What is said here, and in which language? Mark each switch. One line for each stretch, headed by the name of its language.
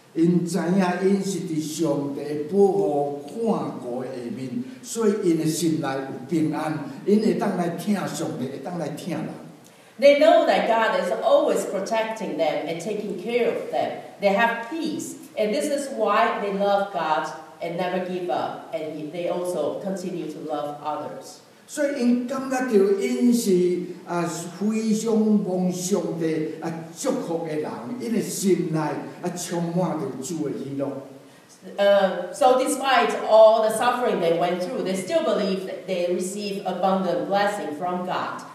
English: They know that God is always protecting them and taking care of them. They have peace, and this is why they love God and never give up, and they also continue to love others.
Min Nan Chinese: 所以因感觉到因是非常蒙上帝祝福的人，因的心内充满着主的喜乐。
English: So despite all the suffering they went through, they still believe that they receive abundant blessing from God.